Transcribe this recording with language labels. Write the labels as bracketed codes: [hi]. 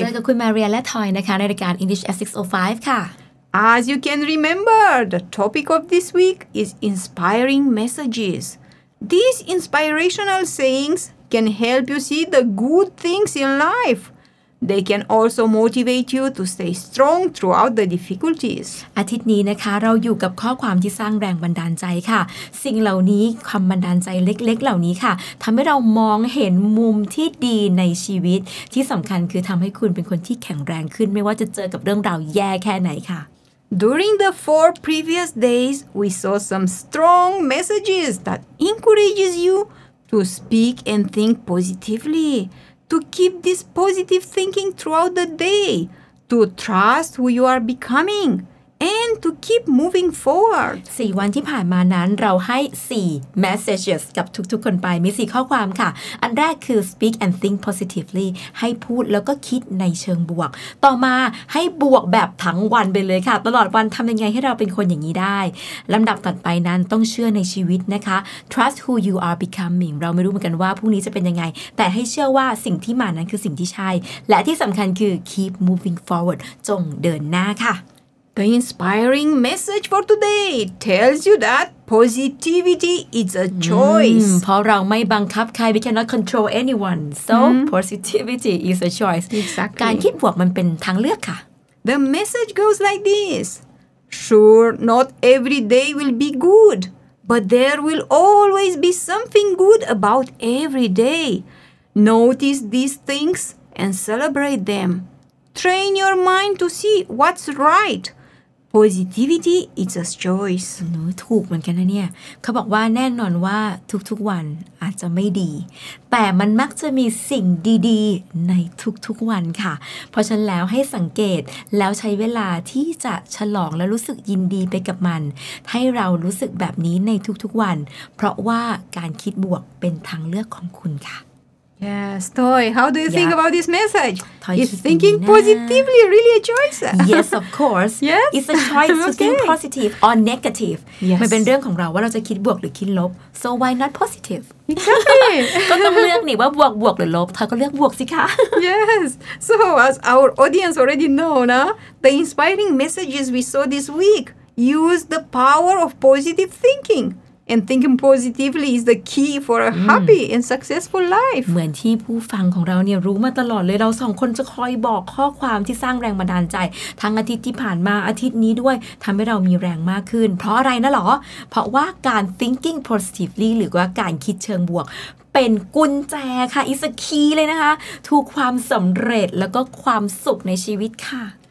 [th] เจอกับคุณมาเรียและทอยนะคะในรายการ English at 605ค่ะ [en] As you can remember, the topic of this week is inspiring messages. These inspirational sayings can help you see the good things in life. They can also motivate you to stay strong throughout the difficulties. [th] อาทิตย์นี้นะคะเราอยู่กับข้อความที่สร้างแรงบันดาลใจค่ะสิ่งเหล่านี้ความบันดาลใจเล็กๆเหล่านี้ค่ะทำให้เรามองเห็นมุมที่ดีในชีวิตที่สำคัญคือทำให้คุณเป็นคนที่แข็งแรงขึ้นไม่ว่าจะเจอกับเรื่องราวแย่แค่ไหนค่ะ [en] During the four previous days, we saw some strong messages that encourages you to speak and think positively. To keep this positive thinking throughout the day, to trust who you are becoming, and to keep moving forward. [th] 4 วันที่ผ่านมานั้นเราให้4 messages กับทุกๆคนไปมี4ข้อความค่ะอันแรกคือ [en] speak and think positively [th] ให้พูดแล้วก็คิดในเชิงบวกต่อมาให้บวกแบบทั้งวันไปเลยค่ะตลอดวันทำยังไงให้เราเป็นคนอย่างนี้ได้ลำดับต่อไปนั้นต้องเชื่อในชีวิตนะคะ [en] trust who you are becoming [th] เราไม่รู้เหมือนกันว่าพรุ่งนี้จะเป็นยังไงแต่ให้เชื่อว่าสิ่งที่มานั้นคือสิ่งที่ใช่และที่สำคัญคือ [en] keep moving forward [th] จงเดินหน้าค่ะ [en] The inspiring message for today tells you that positivity is a choice. [th] เพราะเราไม่บังคับใคร [en] we cannot control anyone. So positivity is a choice. Exactly. [th] การคิดบวกมันเป็นทางเลือกค่ะ [en] The message goes like this. Sure, not every day will be good. But there will always be something good about every day. Notice these things and celebrate them. Train your mind to see what's right. Positivity is a choice. [th] ถูกเหมือนกันนะเนี่ยเขาบอกว่าแน่นอนว่าทุกๆวันอาจจะไม่ดีแต่มันมักจะมีสิ่งดีๆในทุกๆวันค่ะเพราะฉะนั้นแล้วให้สังเกตแล้วใช้เวลาที่จะฉลองและรู้สึกยินดีไปกับมันให้เรารู้สึกแบบนี้ในทุกๆวันเพราะว่าการคิดบวกเป็นทางเลือกของคุณค่ะ [en] Yes, Toy, how do you think about this message? Is thinking positively really a choice? Yes, of course. Yes? It's a choice to think positive or negative. Yes. [th] มันเป็นเรื่องของเราว่าเราจะคิดบวกหรือคิดลบ [en] So why not positive? Exactly. [th] ก็ต้องเลือกนี่ว่าบวกหรือลบถ้าก็เลือกบวกสิคะ [en] Yes. So as our audience already know, nah, the inspiring messages we saw this week use the power of positive thinking. And thinking positively is the key for a happy and successful life. [th] เหมือนที่ผู้ฟังของเราเนี่ยรู้มาตลอดเลยเราสองคนจะคอยบอกข้อความที่สร้างแรงบันดาลใจทั้งอาทิตย์ที่ผ่านมาอาทิตย์นี้ด้วยทำให้เรามีแรงมากขึ้นเพราะอะไรนะหรอเพราะว่าการ thinking positively หรือว่าการคิดเชิงบวกเป็นกุญแจค่ะ [en] is a key [th] เลยนะคะทุกความสำเร็จแล้วก็ความสุขในชีวิตค่ะ